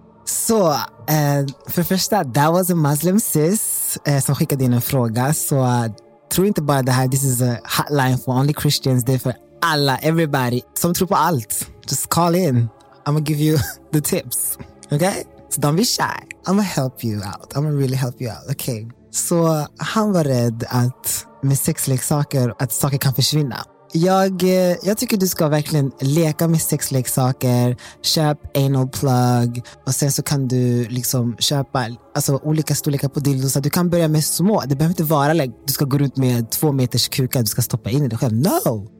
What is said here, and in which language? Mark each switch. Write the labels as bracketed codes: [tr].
[sv] Så, för första, [en] that was a Muslim sis [sv] som skickade in en fråga. Så tror inte bara det här, [en] this is a hotline for only Christians, [sv] det är för alla, everybody, som tror på allt. [en] Just call in. I'm gonna give you the tips. Okay? So don't be shy. I'm gonna help you out. I'm gonna really help you out. Okay. [sv] Så han var rädd att med sexleksaker, att saker kan försvinna. Jag tycker du ska verkligen leka med sexleksaker. Köp anal plug. Och sen så kan du liksom köpa, alltså, olika storlekar på dildos. Du kan börja med små. Det behöver inte vara like, du ska gå ut med 2 meters kuka. Du ska stoppa in i dig själv. No!